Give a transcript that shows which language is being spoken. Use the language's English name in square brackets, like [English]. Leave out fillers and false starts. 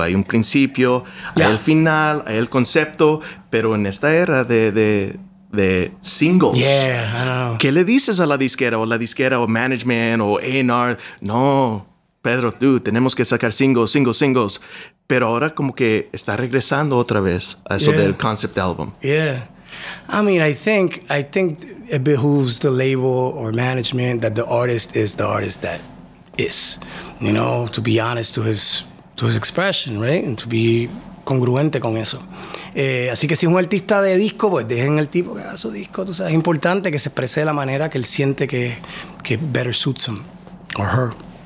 [Spanish] Hay un principio, hay el final, hay el concepto, pero en esta era de singles. [English] Yeah, I know. [Spanish] ¿Qué le dices a la disquera o management o A&R? No, Pedro, tú, tenemos que sacar singles. Pero ahora como que está regresando otra vez a eso del concept album. [English] Yeah. I mean, I think it behooves the label or management that the artist is the artist that is. You know, to be honest to his expression, right? And to be congruente con eso. [Spanish] Así que si es un artista de disco, pues dejen al tipo que haga su disco. Tú sabes, es importante que se exprese de la manera que él siente que [English] better suits him or her.